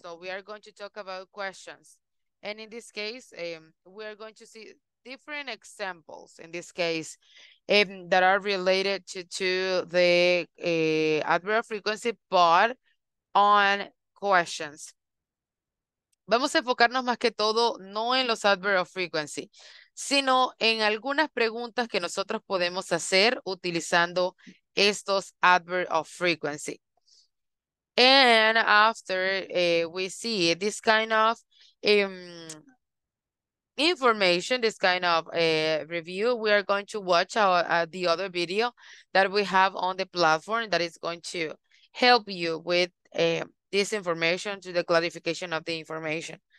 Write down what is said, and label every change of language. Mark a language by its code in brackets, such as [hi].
[en] So we are going to talk about questions. And in this case, we are going to see different examples in this case that are related to the adverb frequency, but on questions. [es] Vamos a enfocarnos más que todo no en los adverb of frequency, sino en algunas preguntas que nosotros podemos hacer utilizando estos adverb of frequency. [en] And after we see this kind of information, this kind of review, we are going to watch our the other video that we have on the platform that is going to help you with this information, to the clarification of the information.